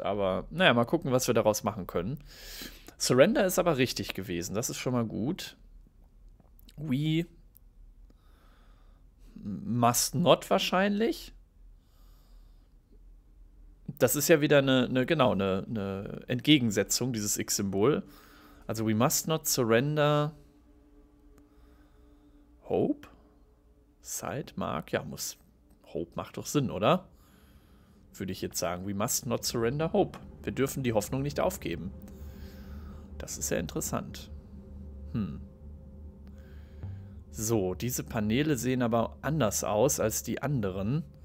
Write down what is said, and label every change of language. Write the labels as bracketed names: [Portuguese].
[German] Aber naja, mal gucken, was wir daraus machen können. Surrender ist aber richtig gewesen. Das ist schon mal gut. [English] We must not [German] wahrscheinlich. Das ist ja wieder eine Entgegensetzung, dieses X-Symbol. [English] Also we must not surrender hope. Side mark. [German] Ja, muss. Hope macht doch Sinn, oder? Würde ich jetzt sagen. [English] We must not surrender hope. [German] Wir dürfen die Hoffnung nicht aufgeben. Das ist ja interessant. So, diese Paneele sehen aber anders aus als die anderen.